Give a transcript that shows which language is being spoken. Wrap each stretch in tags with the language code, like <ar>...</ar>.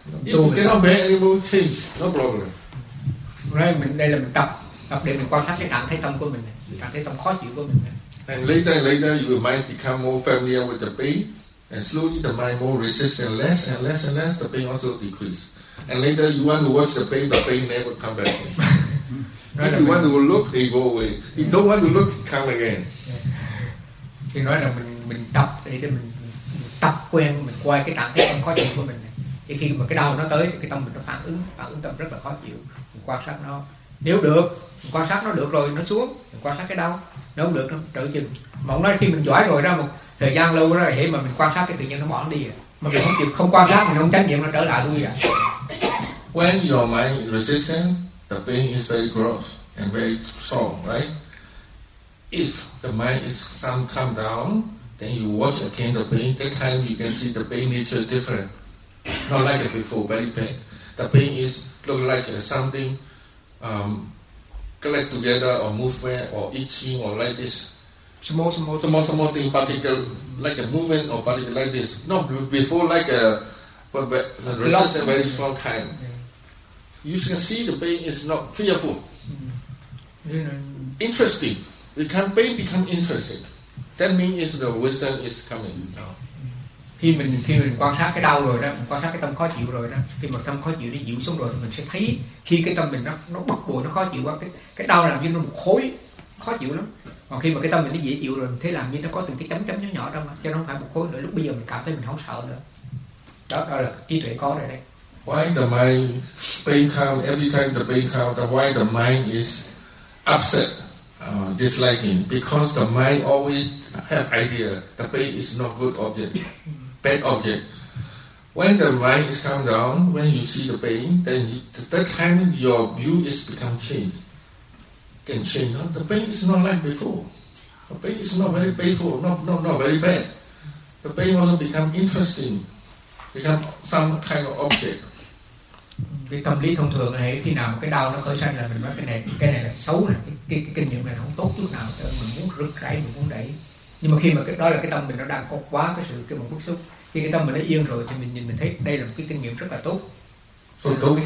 <en>If you cannot bear anymore, change, no problem.</en> <vi>Right, mình đây là mình tập để mình quan sát cái trạng thái tâm của mình, trạng thái tâm khó chịu của mình.</vi> <en>And later your mind become more familiar with the pain, and slowly the mind more resist and less, the pain also decrease. And later you want to watch the pain never come back. If you want to look, it go away. If you don't want to look, it come again.</en> <vi>Thì nói là mình tập để mình tập quen, mình quay cái trạng thái tâm khó chịu của mình. Thì khi mà cái đau nó tới, cái tâm mình nó phản ứng tâm rất là khó chịu. Mình quan sát nó. Nếu được, mình quan sát nó được rồi nó xuống. Mình quan sát cái đau. Nếu không được, nó trở chừng. Mà ông nói khi mình giỏi rồi ra một thời gian lâu đó, thì mà mình quan sát cái tự nhiên nó bỏ đi. Mà mình không chịu, không quan sát, mình không tránh niệm nó trở lại luôn vậy.</vi> <en>When your mind is resistant, the pain is very gross and very strong, right? If the mind is some calm down, then you watch again the pain. That time you can see the pain nature is different. Not like it before, very pain. The pain is look like something collect together or movement or itching or like this. Small thing, particle, like a movement or particle like this. Not before like a but resistant, very strong time. You can see the pain is not fearful. Mm-hmm. Interesting. The pain become interesting. That means the wisdom is coming.</en> <vi>Khi mình quan sát cái đau rồi đó, mình quan sát cái tâm khó chịu rồi đó, khi mà tâm khó chịu nó dịu xuống rồi thì mình sẽ thấy khi cái tâm mình nó bực bội, nó khó chịu quá, cái đau làm như nó một khối khó chịu lắm. Còn khi mà cái tâm mình nó dễ chịu rồi, mình thấy làm như nó có từng cái chấm nhỏ đó mà, cho nó không phải một khối nữa. Lúc bây giờ mình cảm thấy mình không sợ nữa. Đó là trí tuệ có rồi đấy.</vi> <en>Why the mind pain come, every time the pain come, the why the mind is upset, disliking? Because the mind always have idea, the pain is not good object, bad object. When the mind is calm down, when you see the pain, then that time your view is become changed. Can change, huh? The pain is not like before. The pain is not very painful, not very bad. The pain also become interesting, become some kind of object.</en> <vi>Cái tâm lý thông thường này, khi nào cái đau nó khởi sanh là mình nói cái này là xấu nè, cái kinh nghiệm này là không tốt chút nào, mình muốn rứt rãy, mình muốn đẩy. Nhưng mà khi mà đó là cái tâm mình nó đang có quá cái sự cái một bức xúc, khi cái tâm mình nó yên rồi thì mình thấy đây là một cái kinh nghiệm rất là tốt.</vi> <en>So don't,</en>